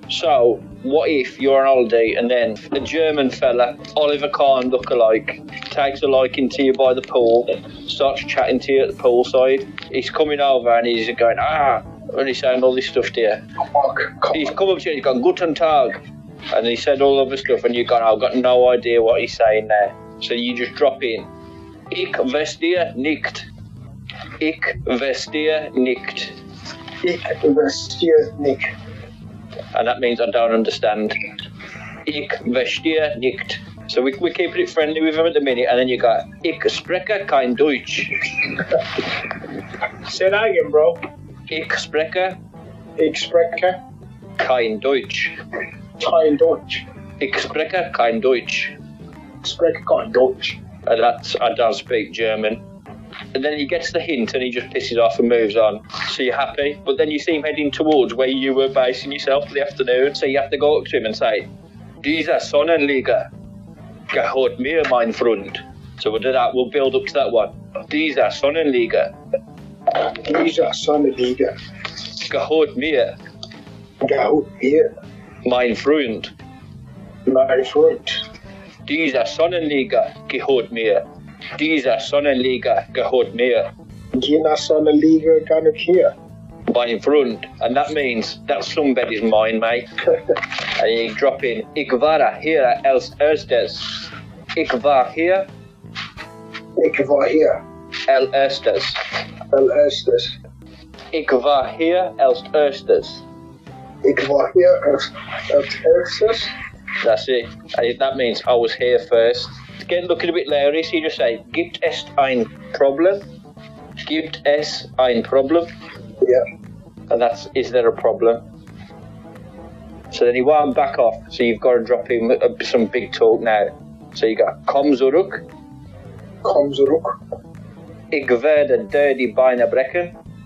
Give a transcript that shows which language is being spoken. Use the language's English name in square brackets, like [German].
[English] So what if you're on holiday and then a German fella, Oliver Kahn lookalike, takes a liking to you by the pool, starts chatting to you at the poolside. He's coming over and he's going, and he's saying all this stuff to you. He's come up to you and he's gone, [German] Guten Tag. [English] And he said all of the stuff and you've gone, I've got no idea what he's saying there. So you just drop in, [German] Ich vestia nicht. Ich vestia nicht. Ich vestia nicht. [English] And that means I don't understand. [German] Ich vestia nicht. [English] So we're keeping it friendly with him at the minute, and then you go, [German] Ich spreche kein Deutsch. [English] Say that again, bro. [German] Ich spreche. Ich spreche. Kein Deutsch. Kein Deutsch. Ich spreche kein Deutsch. Spreche kein Deutsch. [English] And that's, I don't speak German. And then he gets the hint and he just pisses off and moves on. So you're happy. But then you see him heading towards where you were basing yourself for the afternoon. So you have to go up to him and say, [German] Diese Sonnenliege gehört mir, mein Freund. [English] So we'll do that. We'll build up to that one. [German] Diese Sonnenliege. Diese Sonnenliege. Gehört mir. Gehört mir. Mein Freund. Mein Freund. Diese Sonnenliege gehört mir. Diese Sonnenliege gehört mir. Diese Sonnenliege gar nicht hier. Mein Freund. [English] And that means that sunbed is mine, mate. And you drop in, [German] Ich war hier als erstes. Ich war hier. Ich war hier. Als erstes. Als erstes. Ich war hier als erstes. Ich war hier als erstes. [English] That's it. And that means I was here first. Get looking a bit leery, so you just say, [German] Gibt es ein Problem? Gibt es ein Problem? [English] Yeah. And that's, is there a problem? So then he won't back off, so you've got to drop him some big talk now. So you go, [German] Komm zurück. Komm zurück. Ich werde dir die Beine brechen.